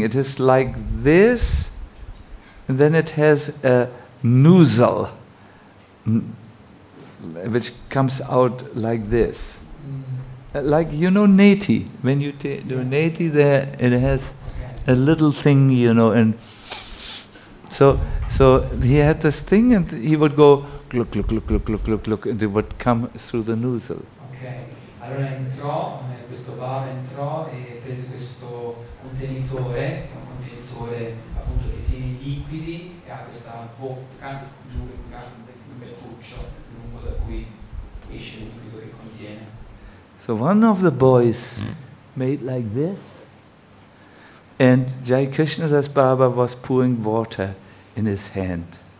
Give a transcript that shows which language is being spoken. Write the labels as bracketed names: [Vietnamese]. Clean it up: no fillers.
[English] It is like this, and then it has a nozzle, which comes out like this. Like, you know, neti. When you do neti there, it has a little thing, you know, and so he had this thing and he would go, "Look, look, look, look, look, look, look," and it would come through the nozzle. Okay. [Italian] Allora entrò, questo bar entrò e prese questo contenitore, un contenitore appunto che tiene i liquidi e ha questa bocca giù, un beccuccio lungo da cui esce il liquido che contiene. [English] So one of the boys made like this, and Jai Krishnadas Baba was pouring water in his hand.